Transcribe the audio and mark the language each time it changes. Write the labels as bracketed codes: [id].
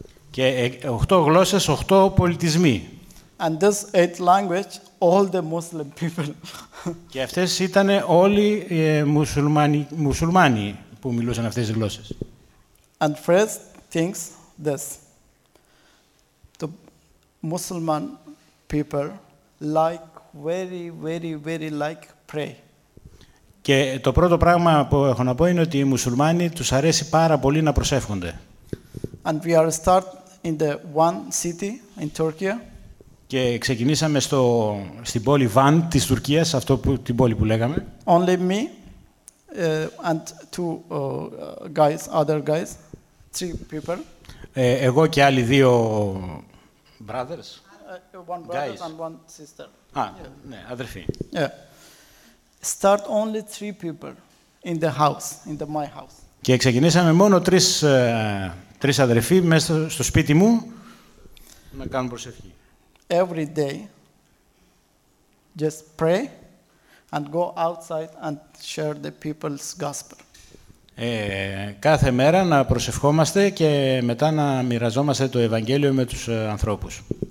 [el] Και 8 γλώσσες, 8 πολιτισμοί. [en] And this eight language all the Muslim people. [el] Και αυτές ήταν όλοι μουσουλμάνοι που μιλούσαν αυτές τις γλώσσες. [en] And first things this. The Muslim people like very, very, very like pray. [el] Και το πρώτο πράγμα που έχω να πω είναι ότι οι μουσουλμάνοι τους αρέσει πάρα πολύ να προσεύχονται. [en] And we are start in the one city in Turkey. [el] Και ξεκινήσαμε στην πόλη Βαν της Τουρκίας, αυτό που την πόλη που λέγαμε. [en] Only me and two guys, other guys, three people. [el] Εγώ και άλλοι δύο brothers. [en] One brother guys. And one sister. [el] Ναι, αδερφή. [en] Yeah. Start only three people in the house, in the my house. [el] Και ξεκινήσαμε μόνο τρεις αδερφοί μέσα στο σπίτι μου να κάνουν προσευχή. Every day, just pray and go outside and share the people's gospel. Κάθε μέρα να προσευχόμαστε και μετά να μοιραζόμαστε το Ευαγγέλιο με τους ανθρώπους.